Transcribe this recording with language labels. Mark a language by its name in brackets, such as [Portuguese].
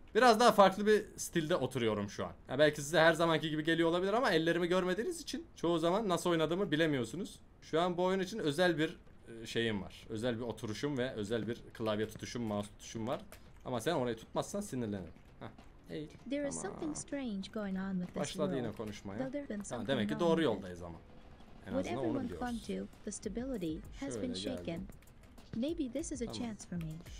[Turkish] Biraz daha farklı bir stilde oturuyorum şu an. Ya belki size her zamanki gibi geliyor olabilir ama ellerimi görmediğiniz için çoğu zaman nasıl oynadığımı bilemiyorsunuz. Şu an bu oyun için özel bir şeyim var. Özel bir oturuşum ve özel bir klavye tutuşum, mouse tutuşum var. Ama sen orayı tutmazsan sinirlenirim. [English] There is something strange going on with this. [Turkish] Başladı yine konuşmaya. Tamam, demek ki doğru yoldayız ama. [English] What everyone clung to, the stability has been shaken. Maybe this is a chance for me.